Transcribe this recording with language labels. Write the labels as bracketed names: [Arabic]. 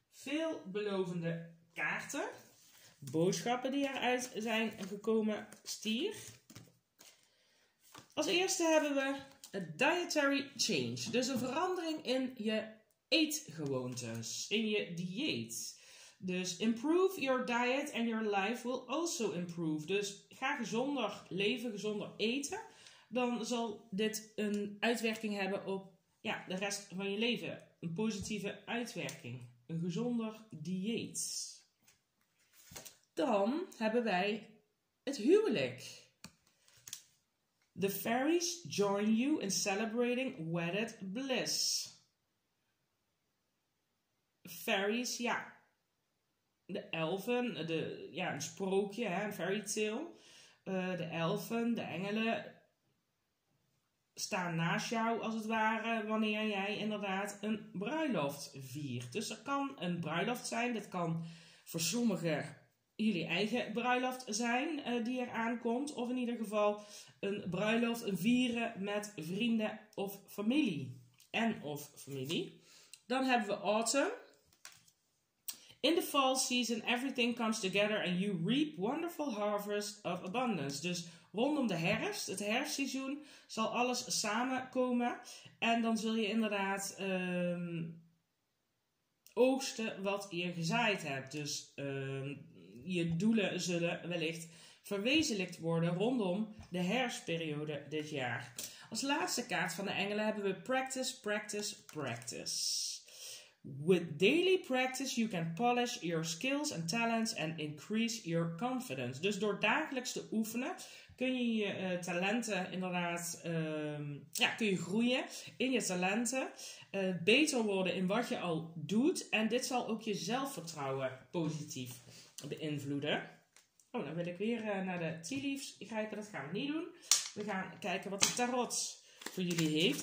[Dutch] veelbelovende kaarten. Boodschappen die eruit zijn gekomen, stier. Als eerste hebben we een [English] dietary change. [Dutch] Dus een verandering in je eetgewoontes, in je dieet. Dus [English] improve your diet and your life will also improve. [Dutch] Dus ga gezonder leven, gezonder eten. Dan zal dit een uitwerking hebben op ja, de rest van je leven. Een positieve uitwerking. Een gezonder dieet. Dan hebben wij het huwelijk. [English] The fairies join you in celebrating wedded bliss. [Dutch] Fairies, ja. De elfen, de, ja, een sprookje, hè, een fairy tale. De elfen, de engelen staan naast jou als het ware wanneer jij inderdaad een bruiloft viert. Dus er kan een bruiloft zijn. Dit kan voor sommigen jullie eigen bruiloft zijn die er aankomt. Of in ieder geval een bruiloft, een vieren met vrienden of familie. En of familie. Dan hebben we autumn. [English] In the fall season, everything comes together and you reap wonderful harvest of abundance. [Dutch] Dus rondom de herfst, het herfstseizoen, zal alles samenkomen. En dan zul je inderdaad oogsten wat je gezaaid hebt. Dus je doelen zullen wellicht verwezenlijkt worden rondom de herfstperiode dit jaar. Als laatste kaart van de engelen hebben we [English] practice, practice, practice. With daily practice you can polish your skills and talents and increase your confidence. [Dutch] Dus door dagelijks te oefenen kun je je talenten inderdaad, kun je groeien in je talenten. Beter worden in wat je al doet. En dit zal ook je zelfvertrouwen positief beïnvloeden. Oh, dan wil ik weer naar de tea leaves grijpen. Dat gaan we niet doen. We gaan kijken wat de tarot voor jullie heeft.